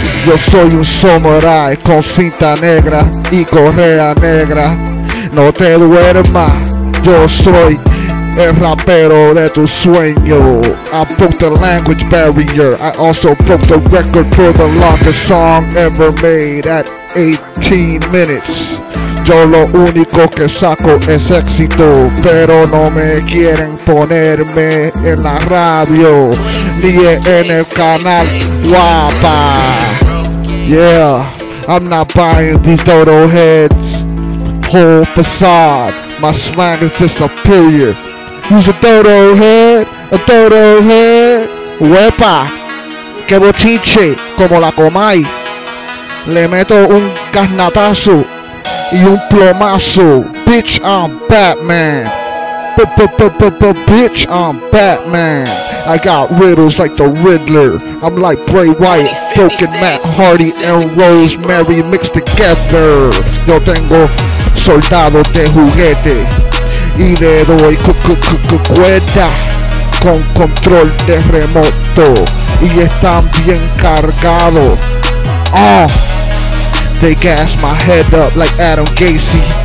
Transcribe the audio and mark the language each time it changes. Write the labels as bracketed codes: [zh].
[es] Yo soy un samurai con cinta negra y correa negra. No te duermas, yo soy el rapero de tu sueño. [en] I broke the language barrier. I also broke the record for the longest song ever made at 18 minutes. [es] Yo lo único que saco es éxito, pero no me quieren ponerme en la radio ni en el canal guapa. [en] Yeah, I'm not buying these dodo heads. Whole facade, my smile is just superior. Who's a dodo head? A dodo head? [es] Wepa, que bochinche como la comay. Le meto un carnatazo y un plomazo. [en] Bitch, I'm Batman. Bitch, I'm Batman. I got riddles like the Riddler. I'm like Bray Wyatt, broken Matt Hardy and Rosemary mixed together. [es] Yo tengo soldado de juguete y le doy cuerda con control de remoto y están bien cargados. [en] They gas my head up like Adam Gacy.